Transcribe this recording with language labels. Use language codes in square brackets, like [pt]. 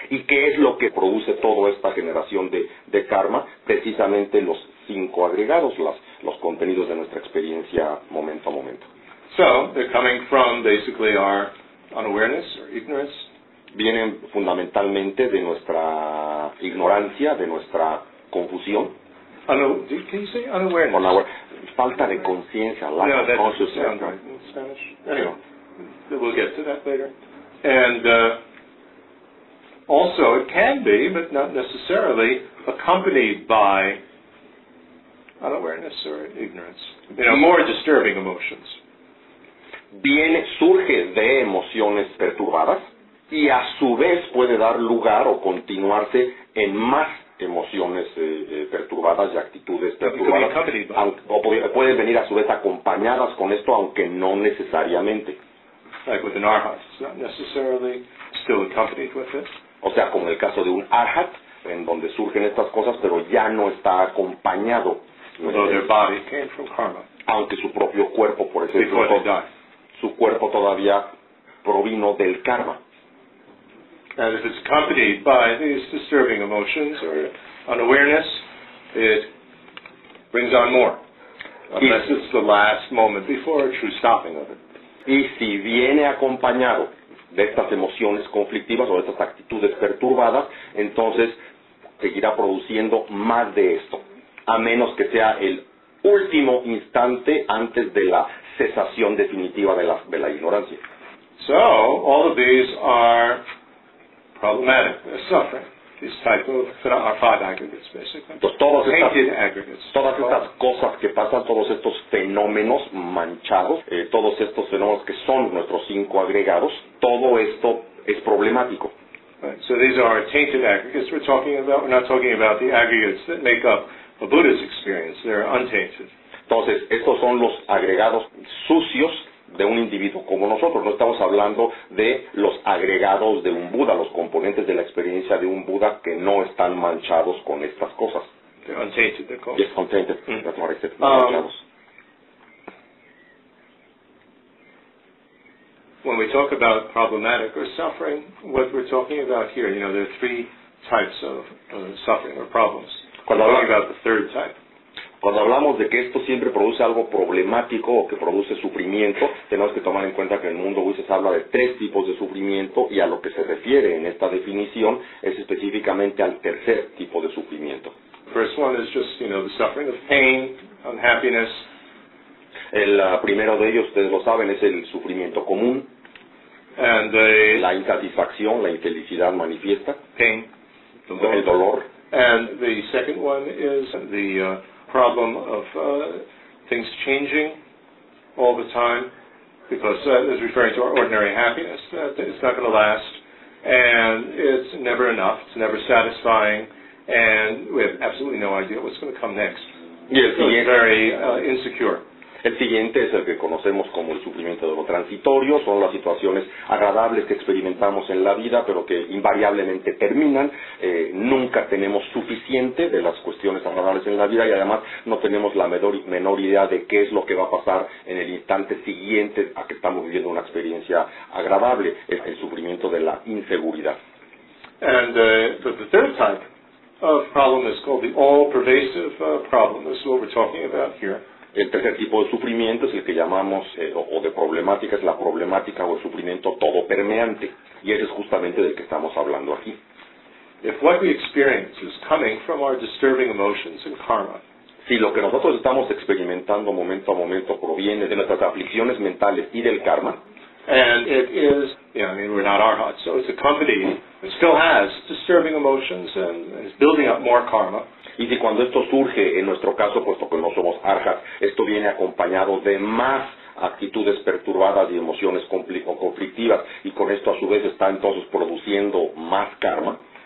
[es] ¿Y qué es lo que produce toda esta generación de karma? Precisamente los cinco agregados, los contenidos de nuestra experiencia momento a momento. [en] So, they're coming from basically our unawareness or ignorance. [es] Vienen fundamentalmente de nuestra ignorancia, de nuestra confusión. [en] Can you say unawareness? Unaware. [es] falta de conciencia, [en] lack [es] no, [en] of that consciousness. Doesn't sound right in Spanish. Anyway, we'll get to that later. And also, it can be, but not necessarily, accompanied by unawareness or ignorance. You know, more disturbing emotions. [es] Viene, surge de emociones perturbadas y a su vez puede dar lugar o continuarse en más emociones perturbadas y actitudes perturbadas. Pueden venir a su vez acompañadas con esto, aunque no necesariamente. [en] Like with an arhat, it's not necessarily still accompanied with it. [es] O sea, como el caso de un arhat, en donde surgen estas cosas, pero ya no está acompañado. [en] Although their body came from karma. [es] Aunque su propio cuerpo, por ejemplo, [en] before they die. [es] Su cuerpo todavía provino del karma. [en] And if it's accompanied by these disturbing emotions or unawareness, it brings on more. Unless it's the last moment before a true stopping of it. [es] Y si viene acompañado de estas emociones conflictivas o de estas actitudes perturbadas, entonces seguirá produciendo más de esto. A menos que sea el último instante antes de la cesación definitiva de la ignorancia. [en] So, all of these are problematic. They're suffering. These types of are five aggregates, basically. [es] Pues todas [en] tainted [es] estas, [en] aggregates. [es] Todas estas cosas que pasan, todos estos fenómenos manchados, todos estos fenómenos que son nuestros cinco agregados, todo esto es problemático. [en] Right. So these are tainted aggregates we're talking about. We're not talking about the aggregates that make up a Buddha's experience. They're untainted. [es] Entonces, estos son los agregados sucios de un individuo como nosotros. No estamos hablando de los agregados de un Buda, los componentes de la experiencia de un Buda que no están manchados con estas cosas. [en] They're untainted, they're called. Yes, untainted. That's what I said. [es] Manchados. [en] When we talk about problematic or suffering, what we're talking about here, you know, there are three types of suffering or problems. [es] Cuando [en] we're talking about the third type. [es] Cuando hablamos de que esto siempre produce algo problemático o que produce sufrimiento, tenemos que tomar en cuenta que en el mundo Buda se habla de tres tipos de sufrimiento y a lo que se refiere en esta definición es específicamente al tercer tipo de sufrimiento. [en] First one is just, you know, the suffering of pain, unhappiness. [es] El primero de ellos, ustedes lo saben, es el sufrimiento común. [en] And [es] la insatisfacción, la infelicidad manifiesta. [en] Pain. [es] El dolor. [en] And the second one is the problem of things changing all the time, because it's referring to our ordinary happiness, that it's not going to last, and it's never enough, it's never satisfying, and we have absolutely no idea what's going to come next. Yes, so it's very insecure. [es] El siguiente es el que conocemos como el sufrimiento de lo transitorio, son las situaciones agradables que experimentamos en la vida, pero que invariablemente terminan, nunca tenemos suficiente de las cuestiones agradables en la vida y además no tenemos la menor idea de qué es lo que va a pasar en el instante siguiente a que estamos viviendo una experiencia agradable, es el sufrimiento de la inseguridad. [en] And the third type of problem is called the all-pervasive problem, this is what we're talking about here. [es] El tercer tipo de sufrimiento es el que llamamos, o de problemática, es la problemática o el sufrimiento todo permeante. Y ese es justamente del que estamos hablando aquí. [en] If what we experience is coming from our disturbing emotions and karma, [es] si lo que nosotros estamos experimentando momento a momento proviene de nuestras aflicciones mentales y del karma, [en] and it is, yeah, I mean, we're not arhat, so it's accompanied, it still has disturbing emotions and is building up more karma. [es] Y si cuando esto surge, en nuestro caso, puesto que no somos arhat, esto viene acompañado de más actitudes perturbadas y emociones conflictivas, y con esto a su vez está entonces produciendo más karma.